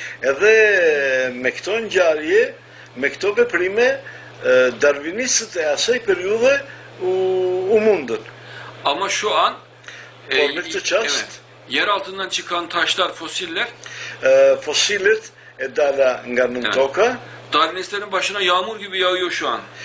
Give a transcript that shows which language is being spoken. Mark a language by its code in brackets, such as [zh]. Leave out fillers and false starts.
[sq] Edhe me këto ngjarje, me këto veprime, darwinistët e asaj periudhe u mundën. [tr] Ama şu an evet, yer altından çıkan taşlar, fosiller [sq] fosilet e dala nga nën toka. [tr] Darwinistlerin başına yağmur gibi yağıyor şu an.